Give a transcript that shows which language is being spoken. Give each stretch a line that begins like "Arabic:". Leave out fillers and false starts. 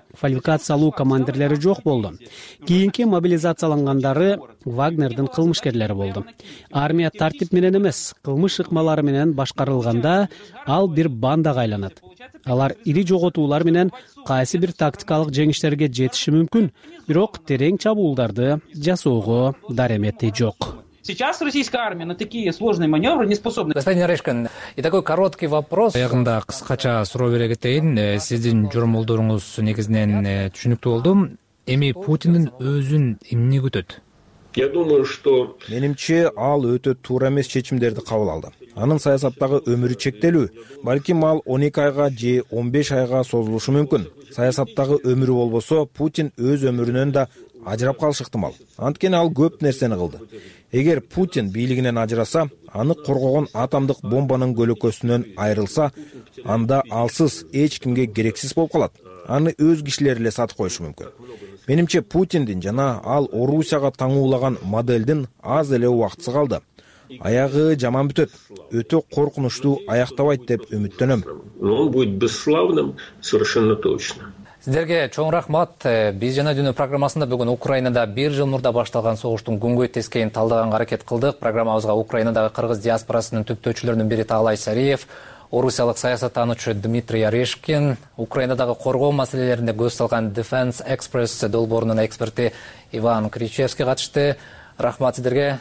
Kyrgyz: Фалификациялуу командирлери жок болду. Кийинки мобилизациялангандары Вагнердин кылмышкерлери болду. Армия тартип менен эмес, кылмыш ыкмалары менен башкарылганда ал бир бандага айланат. Алар ири жоготуулар менен кайсы бир тактикалык жеңиштерге жетиши мүмкүн, бирок терең чабуулдарды жасоого дарамети жок.
Russian: Сейчас российская армия на такие сложные маневры не способна. Господин Орешкин, и такой короткий вопрос.
Kyrgyz: Аягында кыскача суроо бере кетейин. Сиздин жоромолдоруңуз негизинен түшүнүктүү болдум. Эми Путиндин өзүн эмне күтөт?
Russian: Я думаю, что
Kyrgyz: менимче ал өтө туура эмес чечимдерди кабыл алды. Анын саясаттагы өмүрү чектелүү. Балким ал 12 айга же 15 айга созулушу мүмкүн. Саясаттагы өмүрү болбосо, Путин өз өмүрүнөн да ажырап калышы ыктымал. Анткени ал көп нерсени кылды. Эгер Путин бийлигинен ажыраса, аны коргогон атомдук бомбанын көлөкөсүнөн айрылса, анда алсыз эч кимге керексиз болуп калат. Аны өз кишилери эле сатып коюшу мүмкүн. Менимче Путиндин жана ал Орусияга таңуулаган моделдин аз эле убактысы калды. Аягы жаман бүтөт. Өтө коркунучтуу аяктабайт деп үмүттөнөм.
Russian: Он будет бесславным, совершенно точно.
Kyrgyz: Сиздерге чоң рахмат. Биз жана дүйнө программасында бүгүн Украинада бир жыл мурда башталган согуштун күнгөй тескейин талдаганга аракет кылдык. Программабызга Украинадагы кыргыз диаспорасынын түптөөчүлөрүнүн бири Таалай Сариев, орусиялык саясаттануучу Дмитрий Орешкин, Украинадагы коргоо маселелеринде көз салган Defense Express долбоорунун эксперти Иван Кричевский катышты. Рахмат сиздерге.